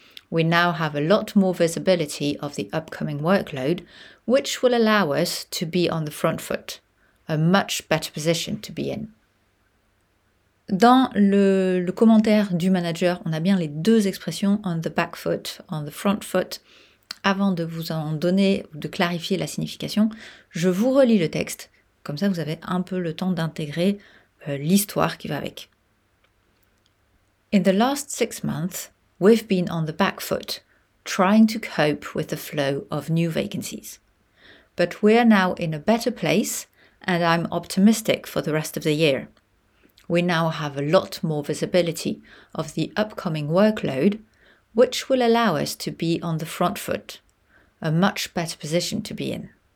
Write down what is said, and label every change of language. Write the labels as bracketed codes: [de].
[en] We now have a lot more visibility of the upcoming workload, which will allow us to be on the front foot, a much better position to be in. » [fr] Dans le commentaire du manager, on a bien les deux expressions, [en] on the back foot, on the front foot. [fr] Avant de vous en donner, de clarifier la signification, je vous relis le texte, comme ça vous avez un peu le temps d'intégrer l'histoire qui va avec. [en] In the last 6 months, we've been on the back foot, trying to cope with the flow of new vacancies. But we are now in a better place, and I'm optimistic for the rest of the year. We now have a lot more visibility of the upcoming workload, which will allow us to be on the front foot, a much better position to be in.